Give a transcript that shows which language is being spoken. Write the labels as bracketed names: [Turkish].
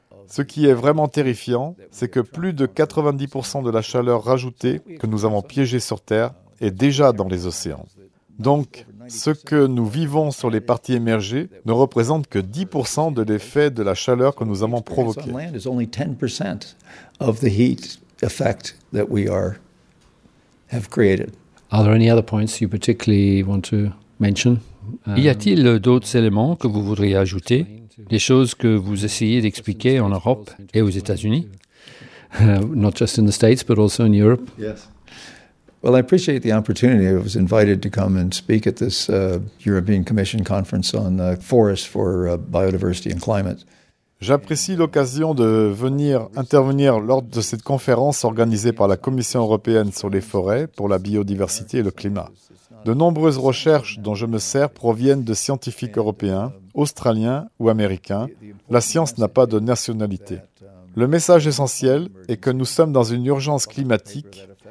[French] Ce qui est vraiment terrifiant, c'est que plus de 90% de la chaleur rajoutée que nous avons piégée sur Terre est déjà dans les océans. Donc, ce que nous vivons sur les parties émergées ne représente que 10% de l'effet de la chaleur que nous avons provoqué. [English] Land is only 10% of the heat effect that we are have created. Are there any other points you particularly want to mention? [French] Y a-t-il d'autres éléments que vous voudriez ajouter, des choses que vous essayez d'expliquer en Europe et aux États-Unis? [English] Not just in the States, but also in Europe. Yes. Well, I appreciate the opportunity. I was invited to come and speak at this European Commission conference on forests for biodiversity and climate. [French] J'apprécie l'occasion de venir intervenir lors de cette conférence organisée par la Commission européenne sur les forêts pour la biodiversité et le climat. De nombreuses recherches dont je me sers proviennent de scientifiques européens, australiens ou américains. La science n'a pas de nationalité. Le message essentiel est que nous sommes dans une urgence climatique.